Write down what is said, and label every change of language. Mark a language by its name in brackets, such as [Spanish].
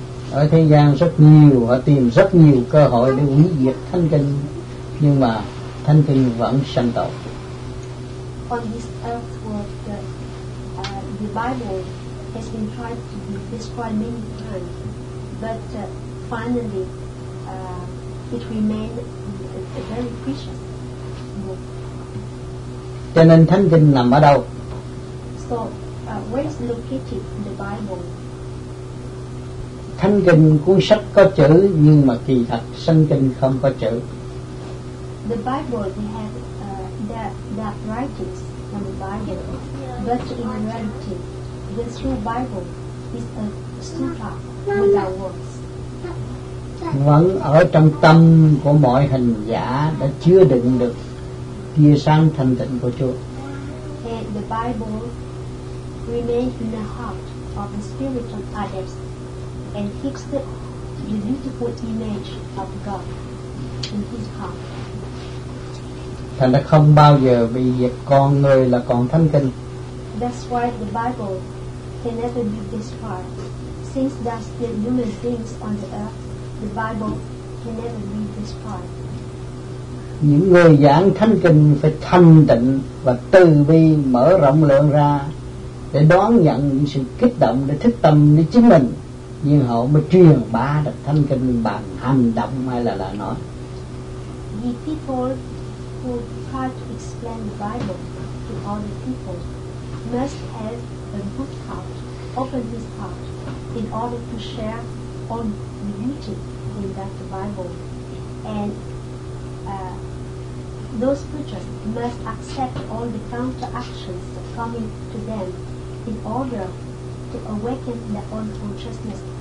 [Vietnamese] Ở thế gian rất nhiều, họ tìm rất nhiều cơ hội để hủy diệt Thánh Kinh, nhưng mà Thánh Kinh vẫn sanh tồn. [English] On this earth world, the Bible has been tried to be destroyed many times, but finally it remained a very precious book. [Vietnamese] Cho nên Thánh Kinh nằm ở đâu? [English] So, where is located in the Bible? [Vietnamese] Thánh Kinh cuốn sách có chữ nhưng mà kỳ thật Thánh Kinh không có chữ. [English] The Bible we have that writings on the Bible, but in reality the true Bible is a sutra without words. [Vietnamese] Vẫn ở trong tâm của mọi hành giả đã chứa đựng được tia sáng thanh tịnh của Chúa. [English] And the Bible remains in the heart of the spirit of others and keeps the beautiful image of God in his heart. [Vietnamese] Thành ra không bao giờ bị diệt, con người là còn Thánh Kinh. [English] That's why the Bible can never be destroyed. Since there's still human beings on the earth, the Bible can never be destroyed. [Vietnamese] Những người giảng Thánh Kinh phải thanh tịnh và từ bi mở rộng lượng ra để đón nhận những sự kích động để thức tâm để chính mình. Nhưng họ mới truyền bá được Thánh Kinh bằng hành động hay là lời nói. [English] The people who try to explain the Bible to other people must have a good heart, open his heart, in order to share on the beauty in that Bible. And those preachers must accept all the counteractions coming to them in order to awaken their own consciousness.